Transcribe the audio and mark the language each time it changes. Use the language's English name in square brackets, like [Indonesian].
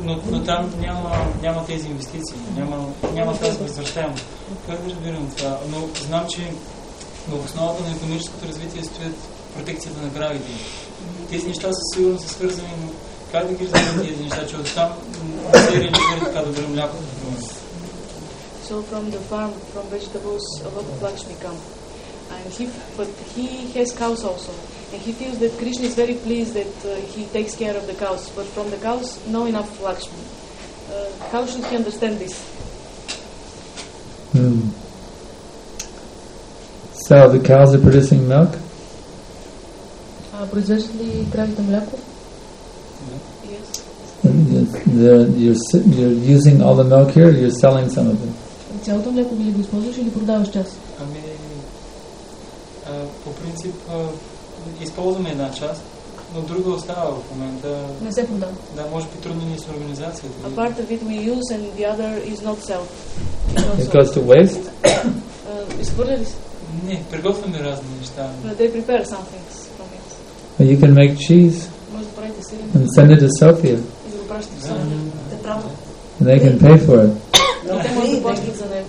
[Bulgarian] Но там няма тези инвестиции, няма тази възвръщаемост. Как да разбирам това? Но знам, че в основата на икономическото развитие стоят протекцията на гравите. Тези неща със сигурност са свързани, но как да ги разбирам тези неща, че оттам не се реализира така добре мляко? [English] So from the farm, from vegetables, a lot of Lakshmi come. But he has cows also. And he feels that Krishna is very pleased that he takes care of the cows. But from the cows, no enough Lakshmi. How should he understand this? Hmm. So the cows are producing milk? Yes. You're using all the milk here, or you're selling some of it? [Bulgarian] Цялото мляко ли го използваш или продаваш част? Ами, по принцип... Използваме една част, но друга остава в момента. Не се продава. Да, може би трудно ни с организацията. [English] A part of it we use and the other is not sell. It goes to waste? [Bulgarian] Изхвърляли се? Не, приготвяме разни неща. [English] But they prepare some things from it. But you can make cheese. [Bulgarian] Може да правите сирене. [English] And send it to Sofia. [Bulgarian] И да го пращате в Sofia. Те трябва. [English] And they can pay for it. [Bulgarian] Но те може да плащат за него.